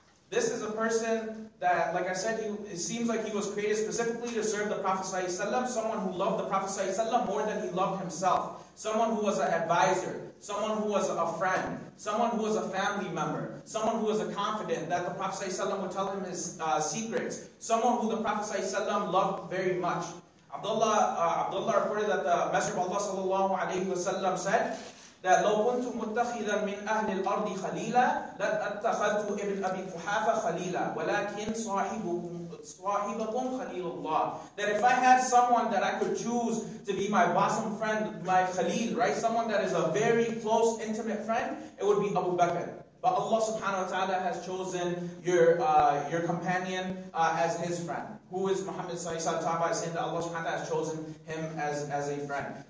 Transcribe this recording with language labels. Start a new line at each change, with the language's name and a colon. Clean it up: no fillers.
English: This is a person that, like I said, it seems like he was created specifically to serve the Prophet sallallahu alaihi wasallam, someone who loved the Prophet sallallahu alaihi wasallam more than he loved himself. Someone who was an advisor, someone who was a friend, someone who was a family member, someone who was a confidant that the Prophet ﷺ would tell him his secrets, someone who the Prophet ﷺ loved very much. Abdullah reported that the Messenger of Allah sallallahu alayhi wa sallam said that
Arabic: لو كنت متخذا من أهل الأرض خليلا لاتخذت ابن أبي قحافة خليلا ولكن صاحبكم خليل الله.
English: That if I had someone that I could choose to be my bosom friend, my khalil, right? Someone that is a very close, intimate friend, it would be Abu Bakr. But Allah subhanahu wa ta'ala has chosen your companion as his friend. Who is Muhammad sallallahu alayhi wa sallam, saying that Allah subhanahu wa ta'ala has chosen him as a friend.